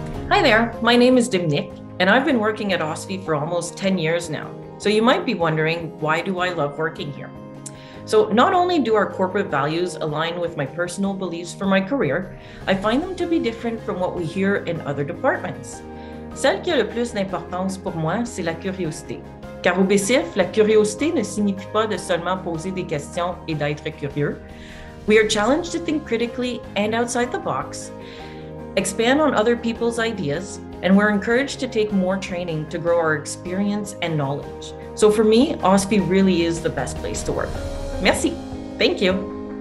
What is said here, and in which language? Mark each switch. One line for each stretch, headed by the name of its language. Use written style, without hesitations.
English: Hi there, my name is Dominique, and I've been working at OSFI for almost 10 years now. So you might be wondering, why do I love working here? So not only do our corporate values align with my personal beliefs for my career, I find them to be different from what we hear in other departments.
French: Celle qui a le plus d'importance pour moi, c'est la curiosité. Car au BCF, la curiosité ne signifie pas de seulement poser des questions et d'être curieux.
English: We are challenged to think critically and outside the box, expand on other people's ideas, and we're encouraged to take more training to grow our experience and knowledge. So for me, OSFI really is the best place to work.
French: Merci.
English: Thank you.